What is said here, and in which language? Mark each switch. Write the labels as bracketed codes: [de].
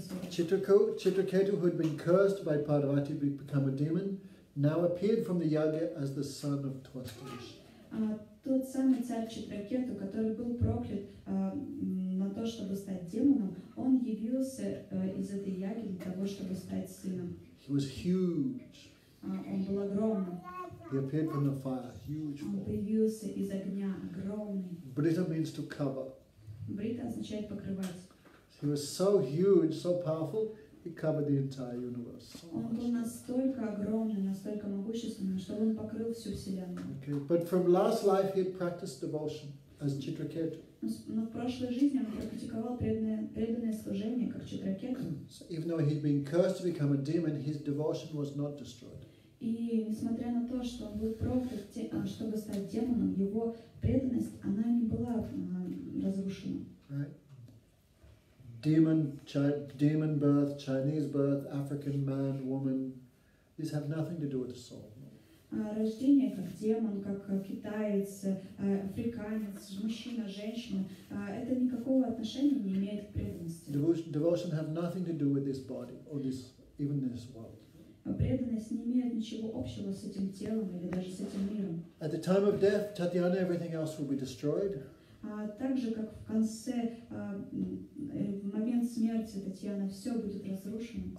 [en] Citraketu, who had been cursed by Parvati to become a demon, now appeared from the yagya as the son of Twastirishi. [ru] Тот самый царь Читракету, который был проклят на то, чтобы стать демоном, он явился из этой яги для того, чтобы стать сыном. [en] He was huge. [ru] Он был огромным. [en] He appeared from the fire, huge. [ru] Он появился из огня, огромный. [en] Brita means to cover. [ru] Брита означает покрывать. [en] He was so huge, so powerful, he covered the entire universe. [ru] Он был настолько огромный, настолько могущественный, что он покрыл всю вселенную. [en] Okay, but from last life he had practiced devotion as Citraketu. [ru] Но в прошлой жизни он практиковал преданное служение как Читракету. [en] So even though he'd been cursed to become a demon, his devotion was not destroyed. [ru] И несмотря на то, что он был проклят, чтобы стать демоном, его преданность она не была разрушена. [en] Right. Demon birth, Chinese birth, African man, woman, these have nothing to do with the soul. [ru] Рождение как демон, как китаец, африканец, мужчина, женщина, это никакого отношения не имеет к преданности. [en] Devotion have nothing to do with this body or this even this world. [ru] Преданность не имеет ничего общего с этим телом или даже с этим миром. [en] At the time of death, Tatiana, everything else will be destroyed. [ru] Так же, как в конце, в момент смерти Татьяны, все будет разрушено.